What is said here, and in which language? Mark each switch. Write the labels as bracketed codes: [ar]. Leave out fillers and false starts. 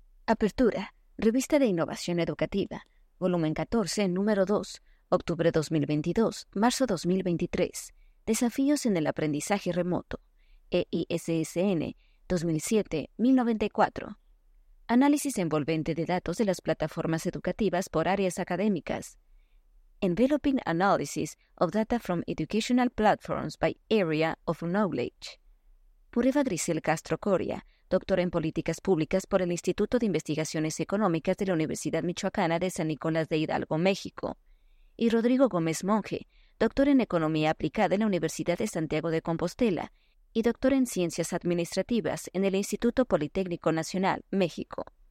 [es] Apertura, Revista de Innovación Educativa, volumen 14, número 2, octubre 2022, marzo 2023, Desafíos en el Aprendizaje Remoto, EISSN 2007-1094. Análisis envolvente de datos de las plataformas educativas por áreas académicas. [en] Enveloping Analysis of Data from Educational Platforms by Area of Knowledge. [es] Prueba Grisel Castro Coria, doctora en Políticas Públicas por el Instituto de Investigaciones Económicas de la Universidad Michoacana de San Nicolás de Hidalgo, México. Y Rodrigo Gómez Monge, doctor en Economía Aplicada en la Universidad de Santiago de Compostela y doctor en Ciencias Administrativas en el Instituto Politécnico Nacional, México.